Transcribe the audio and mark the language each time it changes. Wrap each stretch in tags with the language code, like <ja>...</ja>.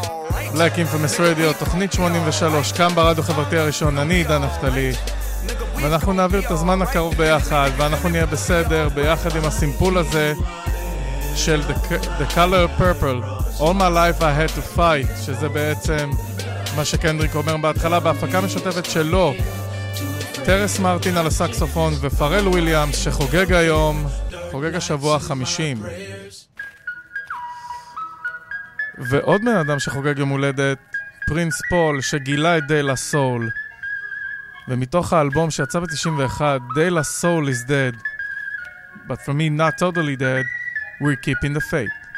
<he>Black Infamous Radio, תוכנית 83. כאן ברדיו חברתי הראשון, אני עידן נפתלי. ואנחנו נעביר את הזמן הקרוב ביחד, ואנחנו נהיה בסדר ביחד עם הסימפול הזה של The Color Purple.</he> <en>All my life I had to fight,</en> <he>שזה בעצם מה שקנדריק אומר בהתחלה בהפקה משותפת שלו. טרס מרטין על הסקסופון ופרל וויליאמס שחוגג היום, חוגג השבוע 50. ועוד בן אדם שחוגג יום הולדת, פרינס פול, שגילה את דה לה סול. ומתוך האלבום שיצא ב-91,</he> <en>דה לה סול is dead, but for me not totally dead, we're keeping the faith.</en>